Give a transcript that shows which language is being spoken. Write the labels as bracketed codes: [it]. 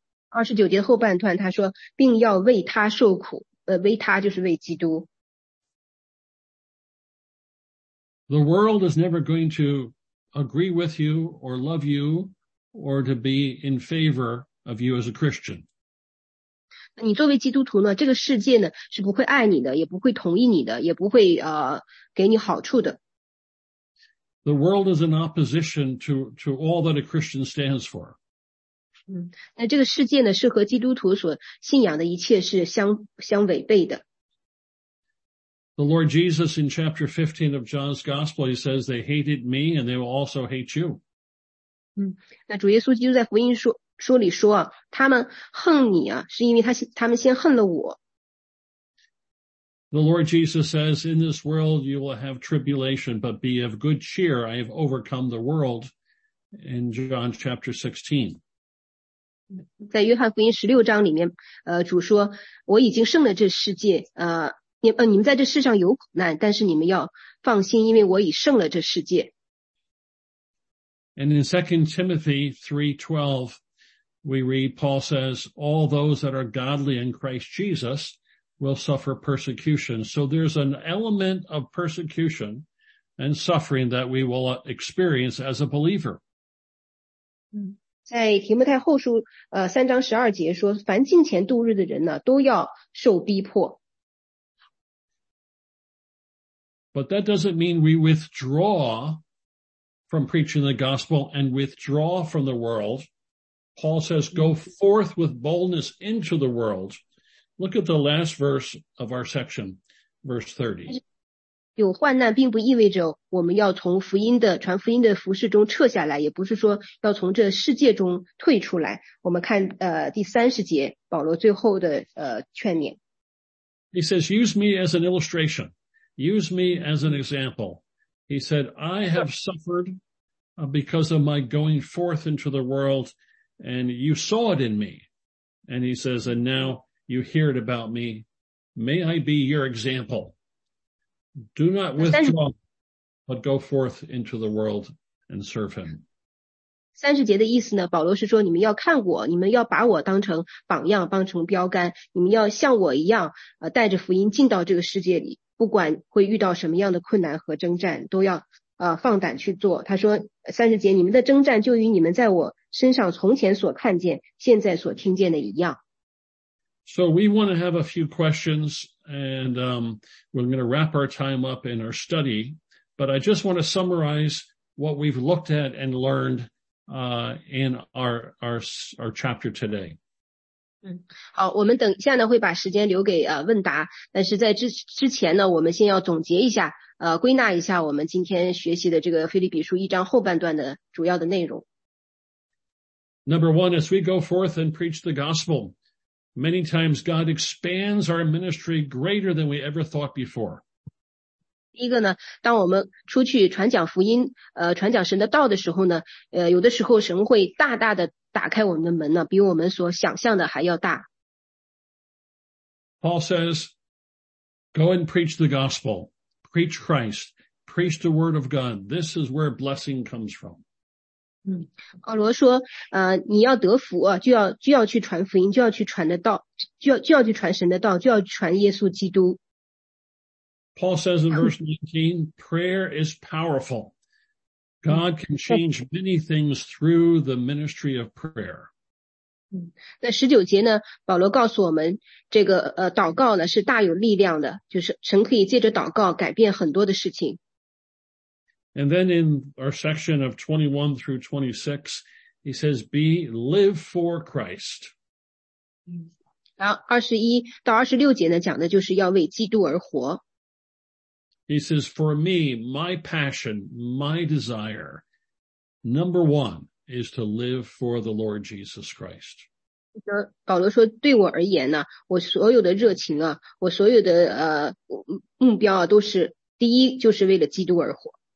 [zh] 29节后半段他说并要为他受苦为他就是为基督。 [en] The world is never going to agree with you or love you or to be in favor of you as a Christian. [zh] 你作为基督徒呢，这个世界呢是不会爱你的，也不会同意你的，也不会给你好处的。 [en] The world is in opposition to all that a Christian stands for. [zh] 那这个世界呢是和基督徒所信仰的一切是相违背的。 [en] The Lord Jesus in chapter 15 of John's Gospel, he says, they hated me and they will also hate you. [zh] 那主耶稣基督在福音书里说啊，他们恨你啊，是因为他们先恨了我。 [en] The Lord Jesus says, in this world you will have tribulation, but be of good cheer, I have overcome the world in John chapter 16. [zh] 在约翰福音16章里面主说我已经胜了这世界你们在这世上有苦难，但是你们要放心，因为我已胜了这世界。 [en] And in 2 Timothy 3:12 we read Paul says all those that are godly in Christ Jesus will suffer persecution. So there's an element of persecution and suffering that we will experience as a believer. [zh] 在提摩太后书三章十二节说，凡近前度日的人呢，都要受逼迫。 [en] But that doesn't mean we withdraw from preaching the gospel and withdraw from the world. Paul says, go forth with boldness into the world. Look at the last verse of our section, verse 30. [zh] 有患难并不意味着我们要从福音的传福音的服事中撤下来，也不是说要从这世界中退出来。我们看第30节保罗最后的劝勉。 [en] He says, use me as an illustration. Use me as an example. He said, I have suffered because of my going forth into the world and you saw it in me. And he says, and now you hear it about me. May I be your example. Do not withdraw. But go forth into the world and serve him. [zh] 三十节的意思呢，保罗是说你们要看我，你们要把我当成榜样，当成标杆，你们要像我一样带着福音进到这个世界里，不管会遇到什么样的困难和征战，都要放胆去做。他说三十节，你们的征战就与你们在我身上从前所看见现在所听见的一样。 [en] So we want to have a few questions and we're going to wrap our time up in our study, but I just want to summarize what we've looked at and learned in our chapter today. [zh] 好，我们等一下呢会把时间留给问答，但是在之前呢我们先要总结一下归纳一下我们今天学习的这个腓立比书一章后半段的主要的内容。 [en] Number one, as we go forth and preach the gospel, many times God expands our ministry greater than we ever thought before. [zh] 第一个呢，当我们出去传讲福音，传讲神的道的时候呢，有的时候神会大大的打开我们的门呢，比我们所想象的还要大。 [en] Paul says, go and preach the gospel, preach Christ, preach the word of God. This is where blessing comes from. [zh] 保罗说你要得福啊，就要去传福音，就要去传的道，就要去传神的道，就要传耶稣基督。 [en] Paul says in verse 19, prayer is powerful. God can change many things through the ministry of prayer. [zh] 那19节呢，保罗告诉我们这个祷告呢是大有力量的，就是神可以借着祷告改变很多的事情。 [en] And then in our section of 21 through 26, he says, live for Christ. [zh] 然后21到26节呢讲的就是要为基督而活。 [en] He says, for me, my passion, my desire, number one is to live for the Lord Jesus Christ. [zh] 保罗说对我而言呢，我所有的热情啊，我所有的目标啊，都是第一就是为了基督而活。